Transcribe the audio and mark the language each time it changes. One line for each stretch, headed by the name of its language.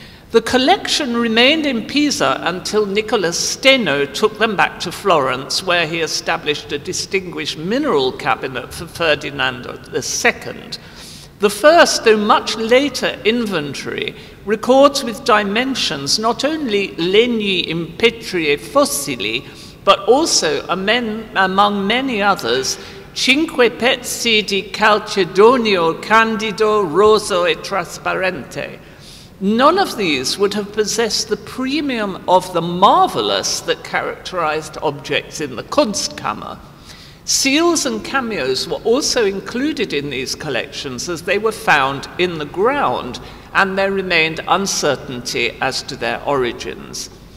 English: The collection remained in Pisa until Nicholas Steno took them back to Florence, where he established a distinguished mineral cabinet for Ferdinand II. The first, though much later, inventory records with dimensions not only
Italian: legni in petri e fossili,
English: but also among many others,
Italian: cinque pezzi di calcedonio candido, roso e trasparente.
English: None of these would have possessed the premium of the marvelous that characterized objects in the Kunstkammer. Seals and cameos were also included in these collections as they were found in the ground, and there remained uncertainty as to their origins.